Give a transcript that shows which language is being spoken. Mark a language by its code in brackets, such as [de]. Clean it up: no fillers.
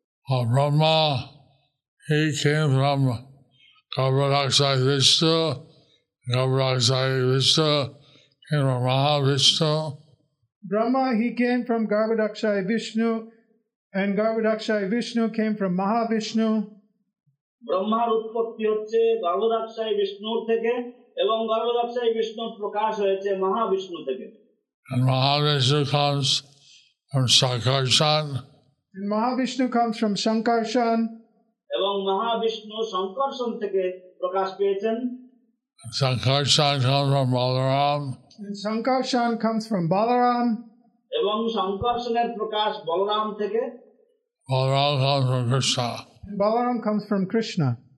[en] Oh, Brahma, He came from Gavaraksai Vishnu. Gavaraksai Vishnu came from Mahavishnu. Brahma, He came from Gavaraksai Vishnu, and Gavaraksai Vishnu came from Mahavishnu. [bn] ব্রহ্মার উৎপত্তি হচ্ছে গর্ভদাক্ষায় বিষ্ণুর থেকে এবং গর্ভদাক্ষায় বিষ্ণু প্রকাশ হয়েছে মহাবিষ্ণু থেকে. [en] And Mahavishnu comes from Sankarshan. And Mahavishnu comes from Sankarshan. [bn] এবং মহাবিষ্ণু সংকর্ষণ থেকে প্রকাশ পেয়েছেন. [en] And Sankarshan comes from Balaram. And Sankarshan comes from Balaram. [bn] এবং সংকর্ষণের প্রকাশ বলরাম থেকে. [en] Balaram comes from Krishna. And Balaram comes from Krishna.